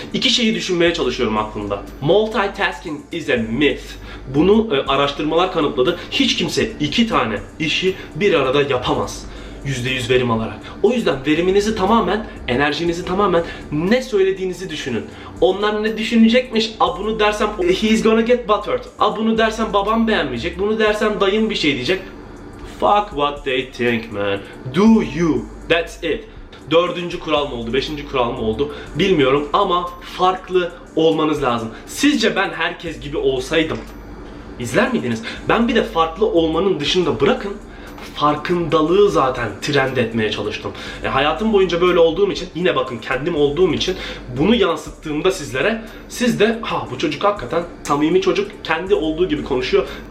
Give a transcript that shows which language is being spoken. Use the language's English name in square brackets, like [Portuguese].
[Turkish] İki şeyi düşünmeye çalışıyorum aklımda. [English] Multitasking is a myth. [Turkish] Bunu araştırmalar kanıtladı. Hiç kimse iki tane işi bir arada yapamaz. %100 verim alarak. O yüzden veriminizi tamamen, enerjinizi tamamen ne söylediğinizi düşünün. Onlar ne düşünecekmiş? A bunu dersem [English] he is gonna get buttered. [Turkish] A bunu dersem babam beğenmeyecek. Bunu dersem dayım bir şey diyecek. [English] Fuck what they think man. Do you. That's it. [Turkish] Dördüncü kural mı oldu? Beşinci kural mı oldu? Bilmiyorum ama farklı olmanız lazım. Sizce ben herkes gibi olsaydım İzler miydiniz? Ben bir de farklı olmanın dışında bırakın, farkındalığı zaten trend etmeye çalıştım. Hayatım boyunca böyle olduğum için, yine bakın kendim olduğum için bunu yansıttığımda sizlere, siz de ha bu çocuk hakikaten samimi çocuk, kendi olduğu gibi konuşuyor.